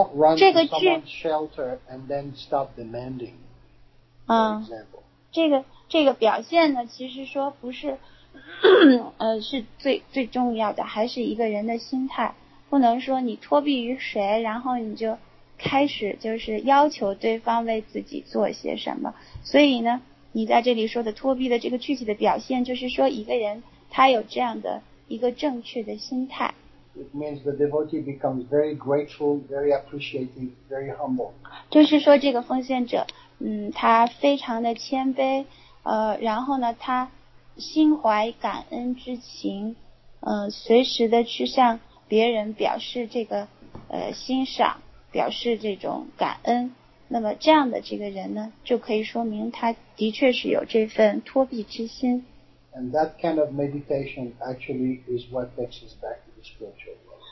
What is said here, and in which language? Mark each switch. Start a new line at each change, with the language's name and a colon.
English: don't run to someone's shelter and then stop demanding. For example,
Chinese: 这个表现呢，其实说不是，是最重要的，还是一个人的心态。不能说你脱避于谁，然后你就开始就是要求对方为自己做些什么。所以呢，你在这里说的脱避的这个具体的表现，就是说一个人他有这样的一个正确的心态。
English: It means the devotee becomes very grateful, very appreciative, very humble.
Chinese: 就是说这个奉献者，他非常的谦卑。然后呢他心怀感恩之情随时的去向别人表示这个欣赏表示这种感恩那么这样的这个人呢就可以说明他的确是有这份脱避之心
English: And that kind of meditation actually is what takes us back to the spiritual world